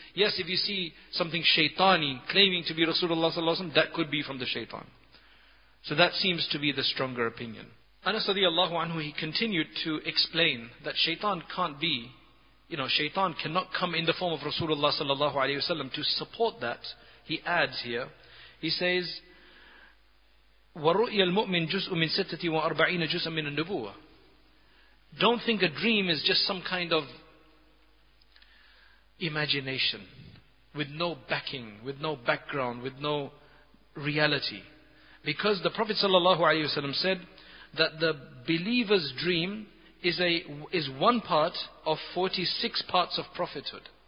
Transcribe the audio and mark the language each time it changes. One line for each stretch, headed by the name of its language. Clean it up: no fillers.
English: Yes, if you see something shaitani claiming to be Rasulullah sallallahu alaihi wasallam, that could be from the shaitan. So that seems to be the stronger opinion. Anas radiallahu anhu, he continued to explain that shaitan can't be, you know, shaitan cannot come in the form of Rasulullah sallallahu alaihi wasallam. To support that, he adds here, he says,
Arabic: وَرُؤْيَ الْمُؤْمِنِ جُزْءٌ مِنْ سَتَّةِ وَأَرْبَعِينَ جُزْءٌ مِنَ النُّبُوَةِ.
English: Don't think a dream is just some kind of imagination, with no backing, with no background, with no reality. Because the Prophet ﷺ said that the believer's dream is one part of 46 parts of prophethood.